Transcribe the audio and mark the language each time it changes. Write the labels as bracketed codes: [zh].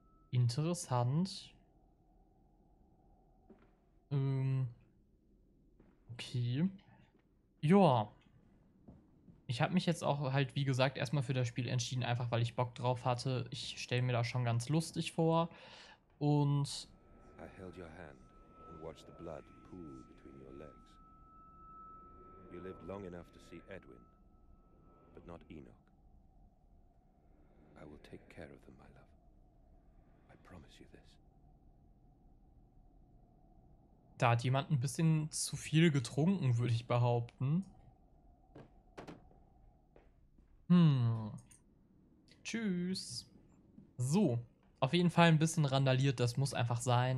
[de] Interessant. Okay. Joa. Ich habe mich jetzt auch halt, wie gesagt, erstmal für das Spiel entschieden, einfach weil ich Bock drauf hatte. Ich stelle mir das schon ganz lustig vor. Und. [en] I held your hand and watched the blood pool between your legs. You lived long enough to see Edwin, but not Enoch. I will take care of them, my love. I promise you this. [de] Da hat jemand ein bisschen zu viel getrunken, würde ich behaupten. Tschüss. So, auf jeden Fall ein bisschen randaliert, das muss einfach sein.